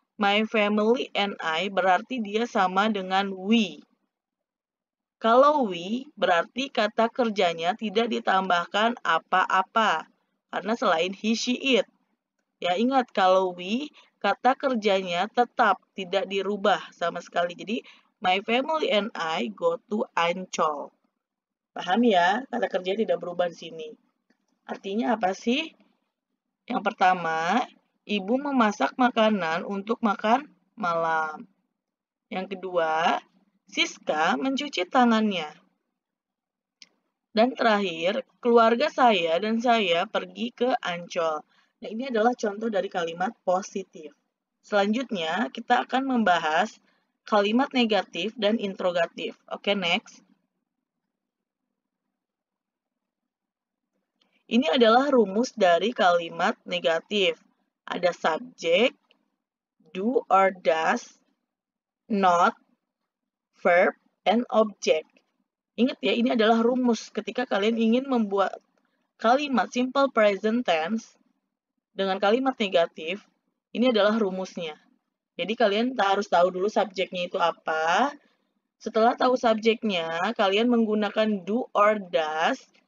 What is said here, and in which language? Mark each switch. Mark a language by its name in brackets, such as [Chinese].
[English] My family and I [Indonesian] berarti dia sama dengan we. Kalau we berarti kata kerjanya tidak ditambahkan apa-apa karena selain he, she, it. Ya, ingat kalau we kata kerjanya tetap tidak dirubah sama sekali. Jadi [English] my family and I go to Ancol. [Indonesian] Paham ya? Kata kerja tidak berubah di sini. Artinya apa sih? Yang pertama, ibu memasak makanan untuk makan malam. Yang kedua, Siska mencuci tangannya. Dan terakhir, keluarga saya dan saya pergi ke Ancol. Nah, ini adalah contoh dari kalimat positif. Selanjutnya, kita akan membahas kalimat negatif dan interrogatif. Oke, next. Ini adalah rumus dari kalimat negatif. Ada subjek, do or does, not, verb, and object. Ingat ya, ini adalah rumus ketika kalian ingin membuat kalimat simple present tense dengan kalimat negatif. Ini adalah rumusnya. Jadi kalian harus tahu dulu subjeknya itu apa. Setelah tahu subjeknya, kalian menggunakan do or does.